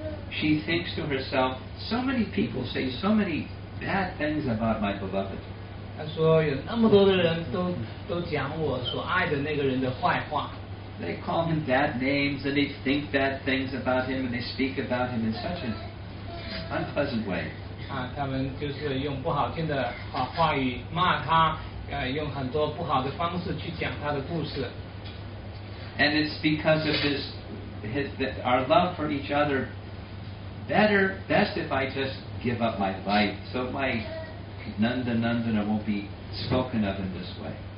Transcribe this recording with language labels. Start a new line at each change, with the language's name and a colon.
English: She thinks to herself, so many people say so many bad things about my beloved.
Chinese: 她说有那么多的人都讲我所爱的那个人的坏话。
English: They call him bad names, and they think bad things about him, and they speak about him in such an unpleasant way.
Chinese: 他们就是用不好听的话语骂他，用很多不好的方式去讲他的故事。
English: And it's because of this, our love for each other. Best if I just give up my life, so my nandana won't be spoken of in this way.